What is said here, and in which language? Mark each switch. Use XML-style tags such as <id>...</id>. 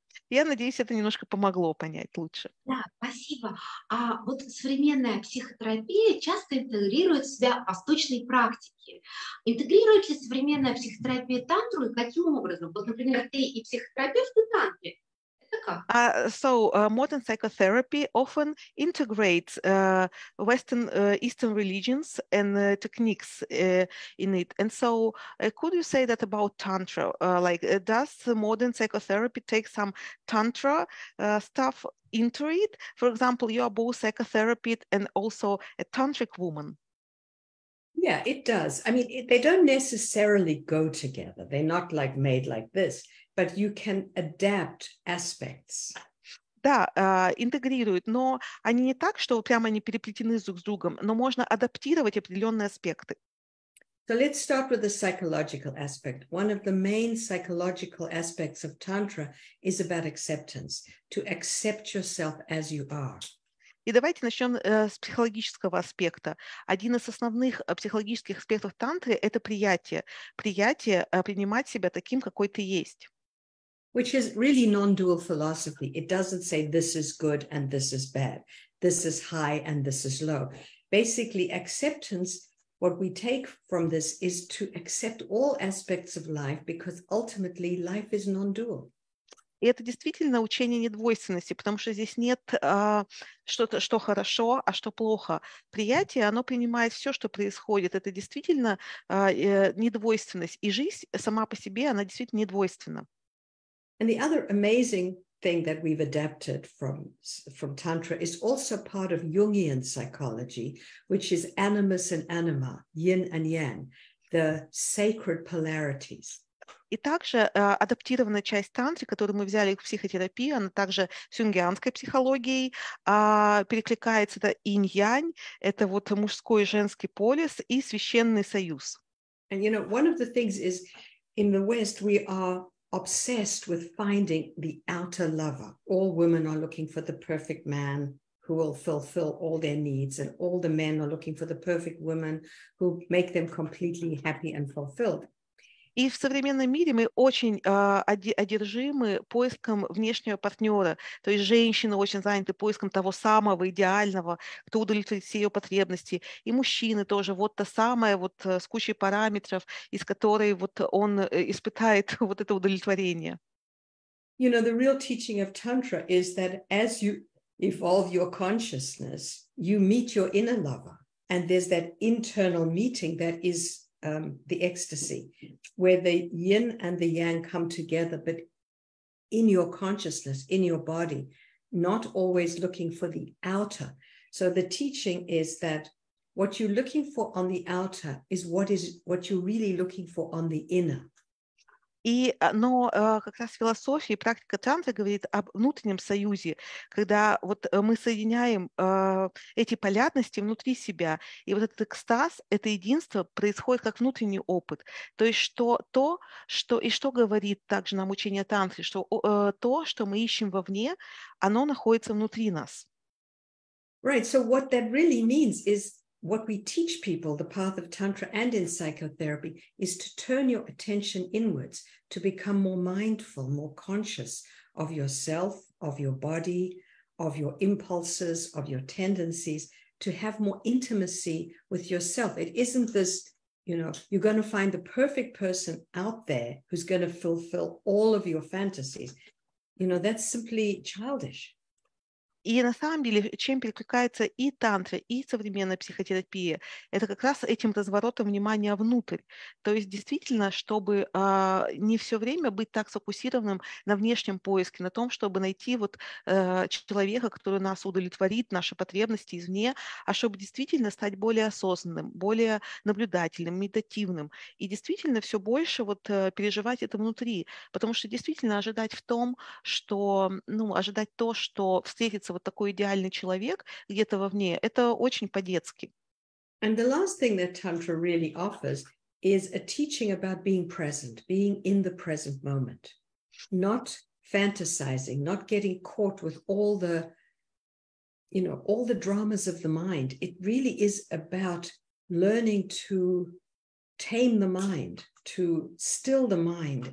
<ru>Я надеюсь, это немножко помогло понять лучше. Да, спасибо. А вот современная психотерапия часто интегрирует в себя восточные практики. Интегрирует ли современная психотерапия тантру и каким образом? Вот, например, ты и психотерапевт, и тантре.</ru> <en>Modern psychotherapy often integrates Eastern religions and techniques in it. And so, could you say that about tantra? Does modern psychotherapy take some tantra stuff into it? For example, you are both psychotherapist and also a tantric woman. Yeah, it does. I mean, they don't necessarily go together. They're not like made like this. But you can adapt aspects.</en> <ru>Да, интегрируют, но они не так, что прямо они переплетены друг с другом, но можно адаптировать определенные аспекты.</ru> <en>So let's start with the psychological aspect. One of the main psychological aspects of Tantra is about acceptance, to accept yourself as you are.</en> <ru>И давайте начнем с психологического аспекта. Один из основных психологических аспектов Тантры – это приятие. Приятие, принимать себя таким, какой ты есть.</ru> <en>Which is really non-dual philosophy. It doesn't say this is good and this is bad. This is high and this is low. Basically, acceptance, what we take from this is to accept all aspects of life because ultimately life is non-dual.</en> <ru>И это действительно учение недвойственности, потому что здесь нет что-то, что хорошо, а что плохо. Приятие, оно принимает все, что происходит. Это действительно недвойственность. И жизнь сама по себе, она действительно недвойственна.</ru> <en>And the other amazing thing that we've adapted from Tantra is also part of Jungian psychology, which is animus and anima, yin and yang, the sacred polarities.</en> <ru>И также адаптированная часть Тантры, которую мы взяли в психотерапии, она также с юнгианской психологией перекликается, это инь-янь, это вот мужской и женский полюс и священный союз.</ru> <en>And you know, one of the things is in the West we are obsessed with finding the outer lover. All women are looking for the perfect man who will fulfill all their needs, and all the men are looking for the perfect woman who make them completely happy and fulfilled.</en> <ru>И в современном мире мы очень одержимы поиском внешнего партнера. То есть женщины очень заняты поиском того самого идеального, кто удовлетворит все ее потребности. И мужчины тоже. Вот та самая вот, с кучей параметров, из которой вот, он испытает вот это удовлетворение.</ru> <en>You know, the real teaching of Tantra is that as you evolve your consciousness, you meet your inner lover. And there's that internal meeting that is the ecstasy, where the yin and the yang come together, but in your consciousness, in your body, not always looking for the outer. So the teaching is that what you're looking for on the outer is what you're really looking for on the inner.</en> <ru>Но как раз философия и практика тантры говорит об внутреннем союзе, когда вот мы соединяем эти полярности внутри себя, и вот этот экстаз, это единство происходит как внутренний опыт. То есть что говорит также нам учение тантры, что то, что мы ищем вовне, оно находится внутри нас.</ru> <en>Right, so what that really means is what we teach people, the path of Tantra and in psychotherapy, is to turn your attention inwards, to become more mindful, more conscious of yourself, of your body, of your impulses, of your tendencies, to have more intimacy with yourself. It isn't this, you know, you're going to find the perfect person out there who's going to fulfill all of your fantasies. You know, that's simply childish.</en> <ru>И на самом деле, чем перекликается и тантра, и современная психотерапия, это как раз этим разворотом внимания внутрь. То есть действительно, чтобы не все время быть так сфокусированным на внешнем поиске, на том, чтобы найти вот, человека, который нас удовлетворит, наши потребности извне, а чтобы действительно стать более осознанным, более наблюдательным, медитативным. И действительно все больше вот, переживать это внутри. Потому что действительно ожидать в том, что, ну, ожидать то, что встретится вот такой идеальный человек где-то вовне, это очень по-детски.</ru> <en>And the last thing that Tantra really offers is a teaching about being present, being in the present moment, not fantasizing, not getting caught with all the, you know, all the dramas of the mind. It really is about learning to tame the mind, to still the mind.</en>